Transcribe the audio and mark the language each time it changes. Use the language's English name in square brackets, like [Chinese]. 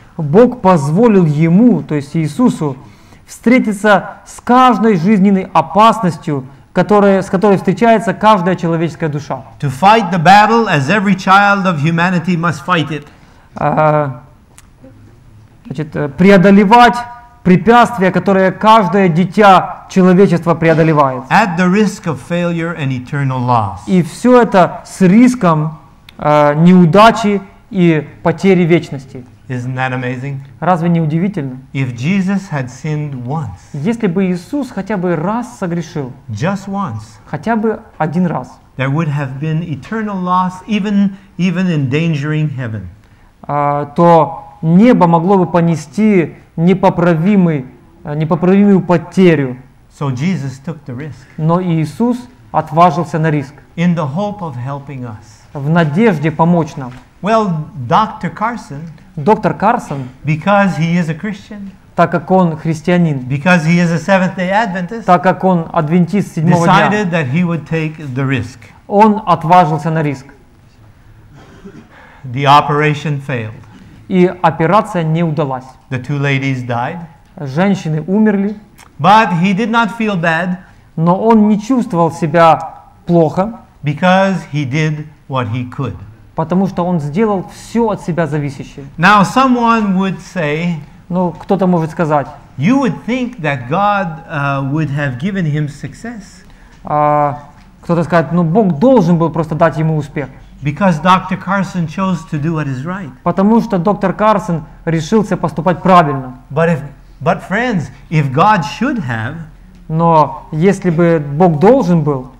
[Russian] Бог позволил ему, то есть Иисусу, встретиться с каждой жизненной опасностью, с которой встречается каждая человеческая душа. [English] To fight the battle as every child of humanity must fight it. [Russian] Значит, преодолевать препятствия, которые каждое дитя человечества преодолевает. [English] At the risk of failure and eternal loss. [Russian] И все это с риском неудачи и потери вечности. [English] Isn't that amazing? [Russian] Разве не удивительно? [English] If Jesus had sinned once, [Russian] если бы Иисус хотя бы раз согрешил, [English] just once, [Russian] хотя бы один раз, [English] there would have been eternal loss, even endangering heaven. [Russian] То небо могло бы понести непоправимую потерю. [English] So Jesus took the risk. [Russian] Но Иисус отважился на риск. [English] In the hope of helping us. [Russian] В надежде помочь нам. [English] Well, Dr. Carson, [Russian] доктор Карсон, [English] because he is a Christian, [Russian] так как он христианин, [English] because he is a Seventh-day Adventist, [Russian] так как он адвентист седьмого [English] decided [Russian] дня, [English] decided that he would take the risk. [Russian] Он отважился на риск. [English] The operation failed. [Russian] И операция не удалась. [English] The two ladies died. [Russian] Женщины умерли. [English] But he did not feel bad. [Russian] Но он не чувствовал себя плохо. [English] Because he did what he could. [Russian] Потому что он сделал все от себя зависящее. [English] Now someone would say, [Russian] ну, кто-то может сказать, [English] you would think that God would have given him success. [Russian] Кто-то скажет, ну, Бог должен был просто дать ему успех. [English] Because Dr. Carson chose to do what is right. [Russian] Потому что доктор Карсон решился поступать правильно. [English] But friends, if God should have, [Russian] но если бы Бог должен был,